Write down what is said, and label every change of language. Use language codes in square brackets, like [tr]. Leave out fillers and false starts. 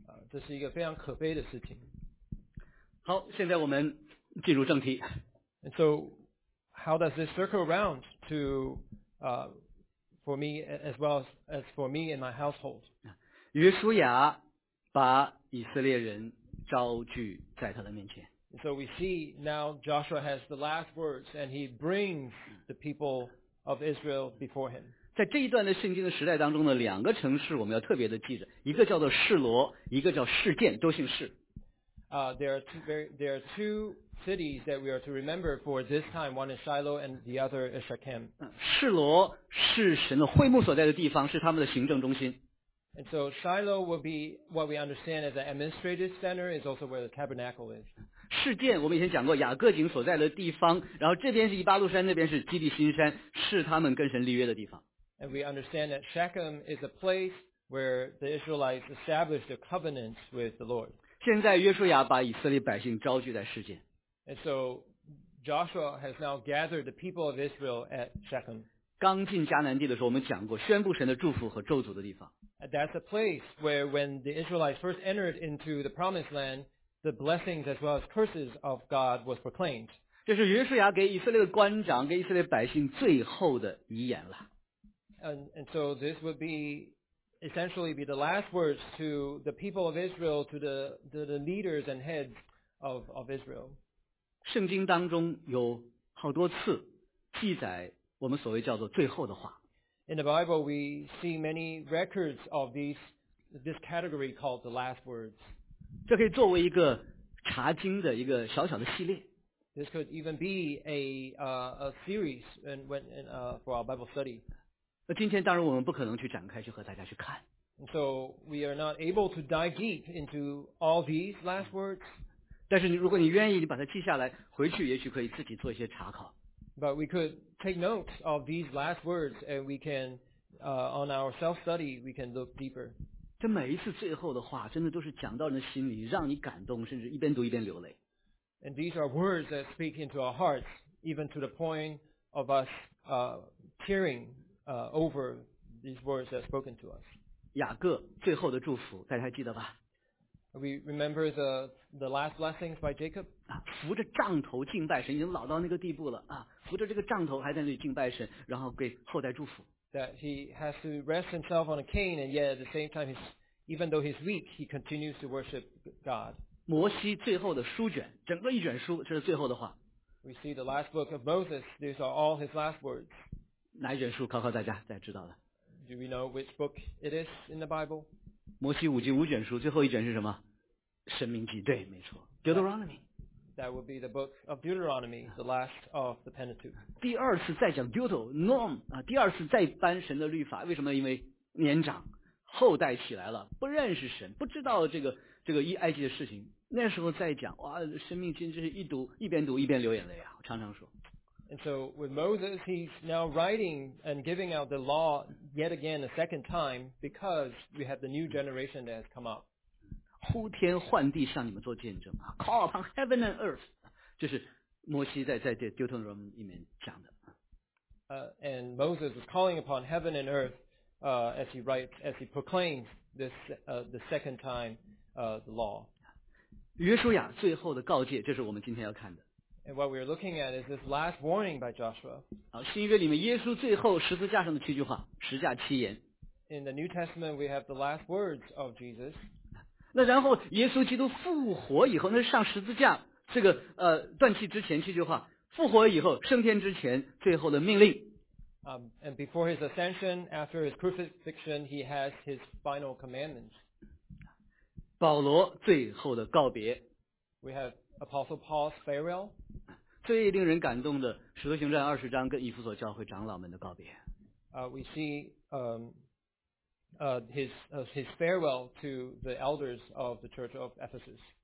[zh] 这是一个非常可悲的事情。好，现在我们进入正题。 [en] And so, how does this circle around to, for me as well as for me and my household? [zh] 约书亚把以色列人招聚在他的面前。 [en] And so we see now Joshua has the last words, and he brings the people of Israel before him. [zh] 在这一段的圣经的时代当中呢，两个城市我们要特别的记着，一个叫做示罗，一个叫示剑，都姓示。 [en] There are two cities that we are to remember for this time. One is Shiloh and the other is Shechem. [zh] 示罗是神的会幕所在的地方，是他们的行政中心。 [en] And so Shiloh will be what we understand as an administrative center, is also where the tabernacle is. [zh] 示剑我们以前讲过，雅各井所在的地方，然后这边是以巴路山，那边是基地新山，是他们跟神立约的地方。 [en] And we understand that Shechem is a place where the Israelites established a covenant with the Lord. [zh] 现在约书亚把以色列百姓招聚在示剑。 [en] And so Joshua has now gathered the people of Israel at Shechem. [zh] 刚进迦南地的时候，我们讲过宣布神的祝福和咒诅的地方。 [en] That's a place where when the Israelites first entered into the promised land, the blessings as well as curses of God was proclaimed. [zh] 这是约书亚给以色列的官长，给以色列百姓最后的遗言了。 [en] And so this would be essentially be the last words to the people of Israel, to the leaders and heads of Israel. [zh] 圣经当中有好多次记载我们所谓叫做最后的话。 [en] In the Bible, we see many records of this category called the last words. [zh] 这可以作为一个查经的一个小小的系列。 [en] This could even be a series for our Bible study. [zh] 那今天当然我们不可能去展开去和大家去看。 [en] So we are not able to dive deep into all these last words. [zh] 但是如果你愿意，你把它记下来，回去也许可以自己做一些查考。 [en] But we could take notes of these last words, and we can, on our self-study, we can look deeper. [zh] 这每一次最后的话，真的都是讲到人的心里，让你感动，甚至一边读一边流泪。 [en] And these are words that speak into our hearts, even to the point of us, tearing. Over these words that are spoken to us. [zh] 雅各最后的祝福，大家还记得吧？ [en] We remember the last blessings by Jacob. [zh] 啊，扶着杖头敬拜神，已经老到那个地步了啊，扶着这个杖头还在那里敬拜神，然后给后代祝福。 [en] That he has to rest himself on a cane, and yet at the same time, even though he's weak, he continues to worship God. [zh] 摩西最后的书卷，整个一卷书，这是最后的话。 [en] We see the last book of Moses. These are all his last words. [zh] 哪一卷书考考大家，大家知道的。 [en] Do we know which book it is in the Bible? [zh] 摩西五经五卷书最后一卷是什么？申命记，对，没错。Deuteronomy. [en] That would be the book of Deuteronomy, the last of the Pentateuch. [zh] 第二次再讲 Deuteronom 啊，第二次再颁神的律法，为什么呢？因为年长，后代起来了，不认识神，不知道这个埃及的事情。那时候再讲，哇，《申命记》真是一读一边读一边流眼泪啊！我常常说。 [en] And so with Moses, he's now writing and giving out the law yet again a second time because we have the new generation that has come up. [zh] 呼天唤地向你们做见证、啊、 [en] Call upon heaven and earth [zh] 这是摩西在 Deuteronom 里面讲的、 [en] and Moses was calling upon heaven and earth、as he writes as he proclaims this、the second time、the law [zh] 约书亚最后的告诫这是我们今天要看的 [en] And what we are looking at is this last warning by Joshua [zh] 新约里面耶稣最后十字架上的七句话十架七言 [en] In the New Testament we have the last words of Jesus [zh] 那然后耶稣基督复活以后那是上十字架这个断气之前七句话复活以后升天之前最后的命令、 [en] and before his ascension after his crucifixion he has his final commandments [zh] 保罗最后的告别 [en] we have apostle Paul's farewell [zh] 最令人感动的使徒行传二十章跟以弗所教会长老们的告别、 [en] we see his farewell to the elders of the church of Ephesus.